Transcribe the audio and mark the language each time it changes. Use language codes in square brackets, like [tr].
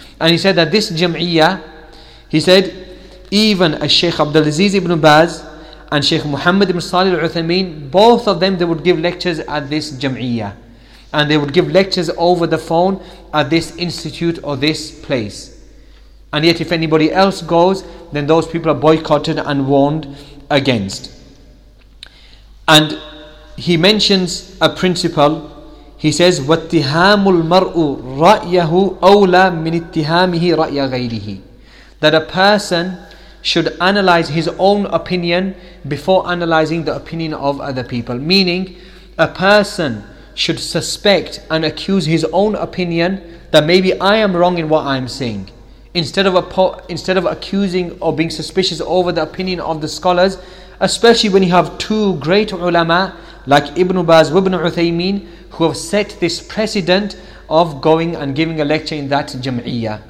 [en] And he said that this jam'iyyah, he said, even a Shaykh Abdulaziz ibn Baz and Shaykh Muhammad ibn Salih al-Uthameen, both of them, they would give lectures at this jam'iyyah. And they would give lectures over the phone at this institute or this place. And yet if anybody else goes, then those people are boycotted and warned against. And he mentions a principle. He says, [ar] وَاتِّهَامُ الْمَرْءُ رَأْيَهُ أَوْلَى مِنْ اتِّهَامِهِ رَأْيَ غَيْرِهِ. [en] That a person should analyze his own opinion before analyzing the opinion of other people. Meaning, a person should suspect and accuse his own opinion that maybe I am wrong in what I am saying. Instead of accusing or being suspicious over the opinion of the scholars, especially when you have two great ulama like Ibn Baz and Ibn Uthaymeen who have set this precedent of going and giving a lecture in that jam'iyyah.